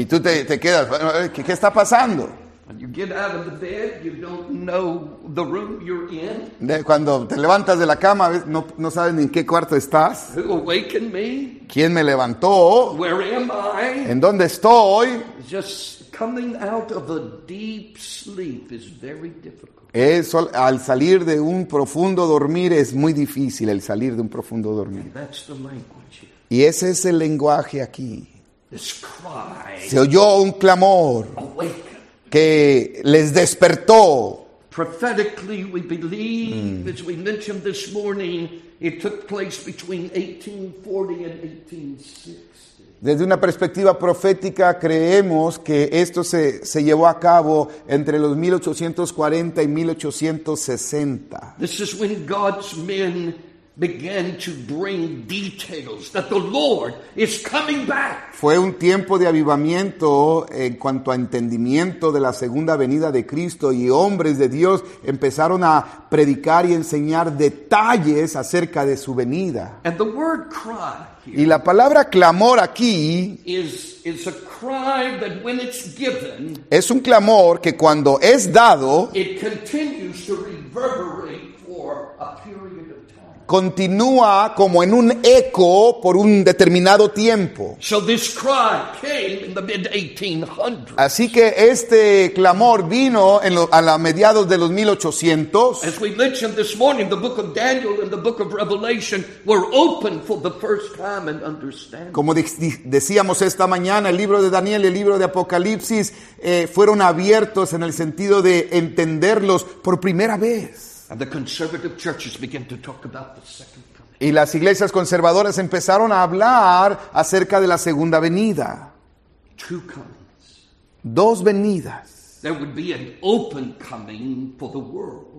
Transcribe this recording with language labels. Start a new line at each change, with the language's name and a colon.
Spanish: Y tú te quedas, ¿qué está pasando?
English: You get out of the bed, you don't know the room you're in.
Spanish: Cuando te levantas de la cama, no sabes ni en qué cuarto estás.
English: Who awakened me?
Spanish: ¿Quién me levantó?
English: Where am I?
Spanish: ¿En dónde estoy?
English: Just coming out of a deep sleep is very difficult.
Spanish: Al salir de un profundo dormir es muy difícil el salir de un profundo dormir.
English: And that's the language here.
Spanish: Y ese es el lenguaje aquí.
English: This cry.
Spanish: Se oyó un clamor.
English: Awake.
Spanish: Que les despertó.
English: Prophetically, we believe, as we mentioned this morning, it took place between 1840 and 1860.
Spanish: Desde una perspectiva profética, creemos que esto se llevó a cabo entre los 1840 y 1860.
English: This is when God's men began to bring details that the Lord is coming back.
Spanish: Fue un tiempo de avivamiento en cuanto a entendimiento de la segunda venida de Cristo y hombres de Dios empezaron a predicar y enseñar detalles acerca de su venida.
English: And the word cry here.
Spanish: Y la palabra clamor aquí
English: is a cry that when it's given,
Spanish: es un clamor que cuando es dado
English: it continues to reverberate for a period.
Spanish: Continúa como en un eco por un determinado tiempo.
English: So this cry came in the mid-1800s.
Spanish: Así que este clamor vino a la mediados de los 1800.
English: As we mentioned this morning, the book of Daniel and the book of Revelation were open for the first time and understanding.
Spanish: Como decíamos esta mañana, el libro de Daniel y el libro de Apocalipsis fueron abiertos en el sentido de entenderlos por primera vez.
English: And the conservative churches began to talk about the second coming.
Spanish: Y las iglesias conservadoras empezaron a hablar acerca de la segunda venida.
English: Two comings.
Spanish: Dos venidas.
English: There would be an open coming for the world.